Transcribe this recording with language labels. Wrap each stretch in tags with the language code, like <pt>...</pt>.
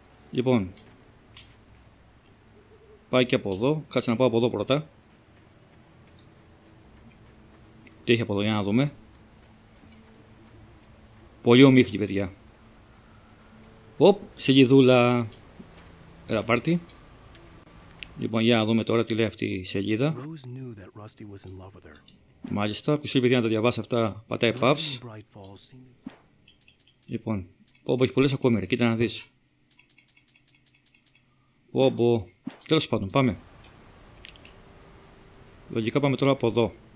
<el>Λοιπόν, πάει και από εδώ, κάτσε να πάω από εδώ πρώτα. Τι έχει από εδώ, για να δούμε. Πολύ ομίχλη, παιδιά. Οπ, σελίδουλα. Έλα, πάρτι. Λοιπόν, για να δούμε τώρα τι λέει αυτή η σελίδα.</el> <en>Rose knew that Rusty was in love with her.</en> <el>Μάλιστα, ποιος είπε να τα διαβάσει αυτά, πατάει Puffs. Λοιπόν, όπου έχει πολλές ακόμη, ρε, κοίτα να δεις. Όμπο, τέλος πάντων, πάμε. Λογικά πάμε τώρα από εδώ.</el>